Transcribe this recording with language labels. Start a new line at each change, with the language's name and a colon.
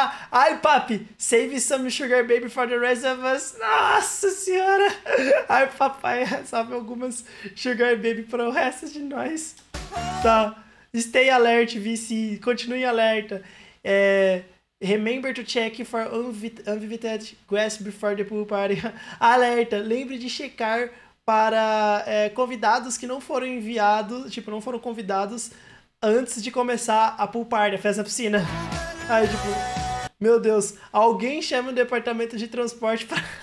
English: Ai, papi, save some sugar baby for the rest of us.
Portuguese: Nossa senhora! Ai, papai, salve algumas sugar baby para o resto de nós. Tá.
English: Stay alert, VC.
Portuguese: Continue alerta.
English: É, remember to check for unvited guests before the pool party.
Portuguese: Alerta. Lembre de checar para convidados que não foram enviados, tipo, não foram convidados antes de começar a pool party, a festa na piscina. Aí, tipo, meu Deus, alguém chama o departamento de transporte pra...